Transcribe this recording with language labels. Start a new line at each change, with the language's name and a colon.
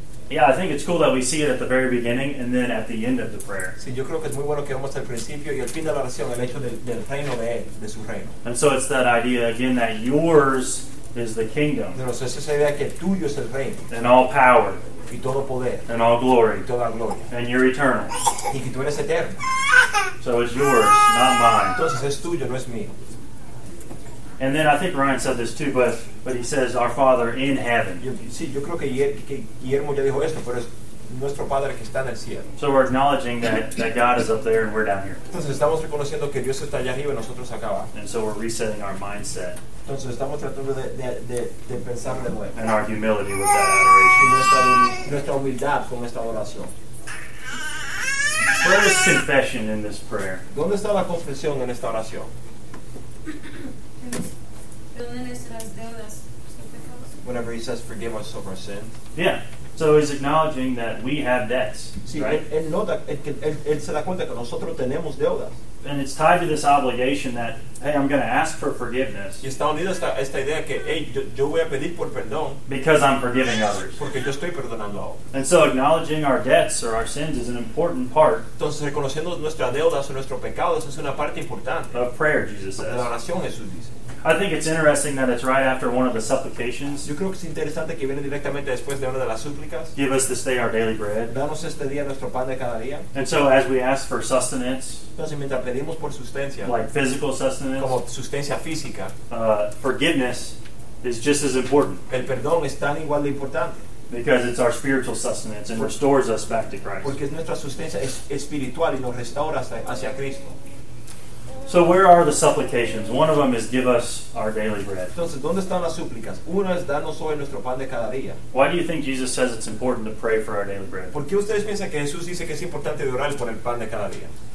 English: Yeah, I think it's cool that we see it at the very beginning and then at the end of the prayer.
Spanish: Sí, yo creo que es muy bueno que vamos al principio y al fin de la oración el hecho del reino de él, de su reino.
English: And so it's that idea again that yours is the kingdom.
Spanish: Pero es esa idea que tuyo es el reino.
English: And all power.
Spanish: Y todo poder.
English: And all glory.
Spanish: Y toda gloria.
English: And you're eternal.
Spanish: Y que tú eres eterno.
English: So it's yours, not mine.
Spanish: Entonces es tuyo, no es mío.
English: And then I think Ryan said this too, but he says, "Our Father in heaven."
Spanish: Sí, yo creo que Guillermo ya dijo esto, pero es nuestro Padre que está en el cielo.
English: So we're acknowledging that God is up there and we're down here.
Spanish: Entonces estamos reconociendo que Dios está allá arriba y nosotros acá abajo.
English: And so we're resetting our mindset.
Spanish: Entonces estamos tratando de pensar de nuevo.
English: And our humility with that adoration.
Spanish: Y nuestra humildad con esta oración.
English: Where is confession in this prayer?
Spanish: ¿Dónde está la confesión en esta oración?
English: Whenever he says, "Forgive us of our sins." Yeah. So he's acknowledging that we have debts.
Spanish: Sí,
English: right?
Spanish: él se da cuenta que nosotros tenemos deudas.
English: And it's tied to this obligation that, hey, I'm going to ask for forgiveness.
Spanish: Y está unido esta idea que, hey, yo voy a pedir por perdón.
English: Because I'm forgiving others.
Spanish: Porque yo estoy perdonando a otros.
English: And so acknowledging our debts or our sins is an important part.
Spanish: Entonces reconociendo nuestras deudas o nuestros pecados es una parte importante.
English: Of prayer, Jesus says.
Spanish: La oración, Jesús dice.
English: I think it's interesting that it's right after one of the supplications.
Spanish: Yo creo que es interesante que viene directamente después de una de las súplicas.
English: Give us this day our daily bread.
Spanish: Danos este día nuestro pan de cada día.
English: And so as we ask for sustenance.
Spanish: Entonces mientras pedimos por sustancia.
English: Like physical sustenance.
Spanish: Como sustancia física.
English: Forgiveness is just as important.
Spanish: El perdón es tan igual de importante.
English: Because it's our spiritual sustenance and restores us back to Christ.
Spanish: Porque es nuestra sustancia espiritual y nos restaura hacia Cristo.
English: So where are the supplications? One of them is give us our daily bread.
Spanish: Entonces, ¿dónde están las súplicas? Una es danos hoy nuestro pan de cada día.
English: Why do you think Jesus says it's important to pray for our daily bread?
Spanish: ¿Por qué ustedes piensan que Jesús dice que es importante de orar por el pan de cada día?